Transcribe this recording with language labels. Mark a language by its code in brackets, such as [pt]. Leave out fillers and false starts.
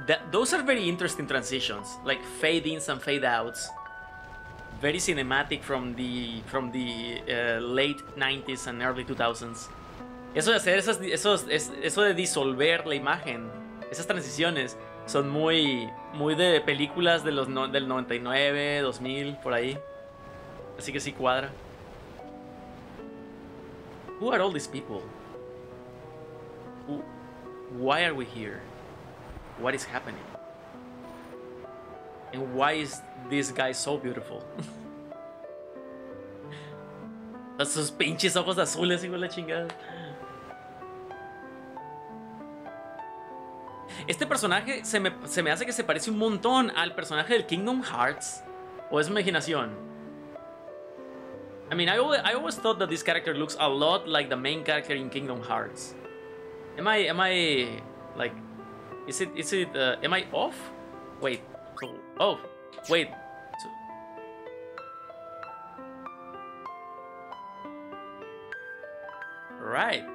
[en] Those are very interesting transitions, like fade ins and fade outs. Very cinematic from the late 90s and early 2000s. [es] Eso de hacer eso de disolver la imagen, esas transiciones son muy de películas de del 99, 2000, por ahí. Así que sí cuadra. [en] Who are all these people? Why are we here? What is happening? And why is this guy so beautiful? [es] Esos pinches ojos azules, hijo de la chingada. Este personaje se me hace que se parece un montón al personaje del Kingdom Hearts. ¿O es imaginación? [en] I mean, I always thought that this character looks a lot like the main character in Kingdom Hearts. Am I off? Wait. Right.